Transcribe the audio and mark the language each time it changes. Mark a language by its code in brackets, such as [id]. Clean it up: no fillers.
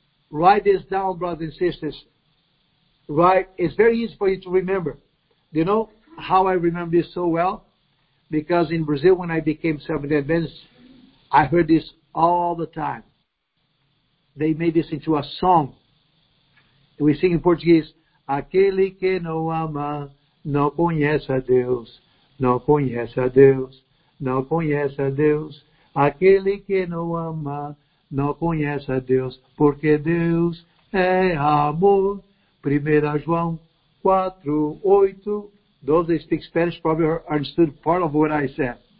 [en] Write this down, brothers and sisters. Write. It's very easy for you to remember. Do you know how I remember this so well? Because in Brazil, when I became Seventh-day Adventist, I heard this all the time. They made this into a song. We sing in Portuguese, [pt] aquele que não ama, não conhece a Deus. No conhece a Deus, não conhece a Deus. Aquele que não ama, não conhece a Deus, porque Deus é amor. 1 João 4, 8. [en] Those that speak Spanish probably understood part of what I said.